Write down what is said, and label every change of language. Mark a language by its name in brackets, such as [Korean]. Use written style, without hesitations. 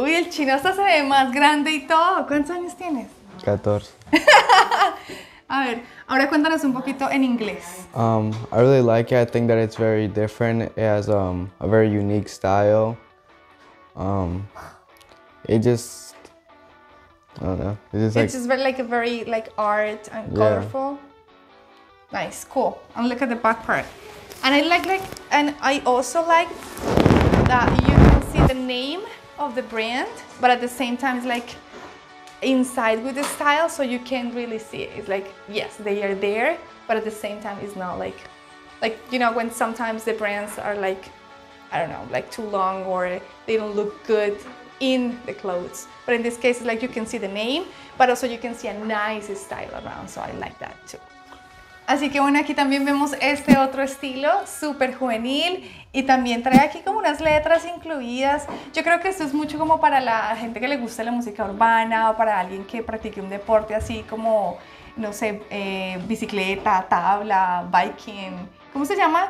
[Spanish] Chino hasta se ve más grande y todo. ¿Cuántos años tienes? 14. A ver, ahora cuéntanos un poquito en inglés. [English] I really like it. I think that it's very different. It has a very unique style. It's just like a very art and colorful. Yeah. Nice, cool. And look at the back part. And I also like that you can see the name of the brand, but at the same time it's like inside with the style, so you can't really see it. It's like, yes, they are there, but at the same time it's not like you know, when sometimes the brands are like, I don't know, like too long or they don't look good in the clothes. But in this case it's like you can see the name, but also you can see a nice style around, so I like that too. [Spanish] Así que bueno, aquí también vemos este otro estilo, súper juvenil, y también trae aquí como unas letras incluidas. Yo creo que esto es mucho como para la gente que le gusta la música urbana o para alguien que practique un deporte así como, no sé, bicicleta, tabla, biking. ¿Cómo se llama?